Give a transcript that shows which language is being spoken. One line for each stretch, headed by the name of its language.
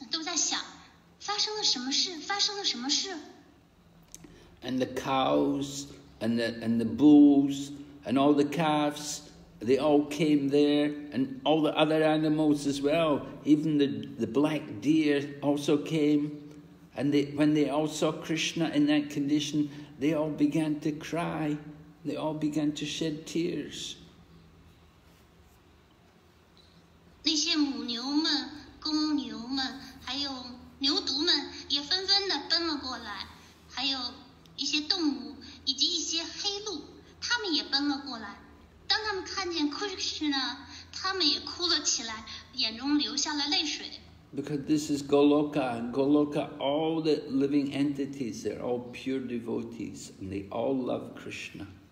Chinese: 还有一些老太太以及文达文那些女仆们，他们也都朝这个地方跑了过来，因为他们听到了哭声，他们都在想，发生了什么事？
English: And the cows and the bulls and all the calves, they all came there, and all the other animals as well. Even the black deer also came. And they, when they all saw Krishna in that condition, they all began to cry. They all began to shed tears.
Chinese: 那些母牛们、公牛们，还有牛犊们也纷纷地奔了过来，还有一些动物以及一些黑鹿，他们也奔了过来。当他们看见 Krishna， 他们也哭了起来，眼中流下了泪水。
English: Because this is Goloka, and Goloka, all the living entities, they're all pure devotees, and they all love Krishna.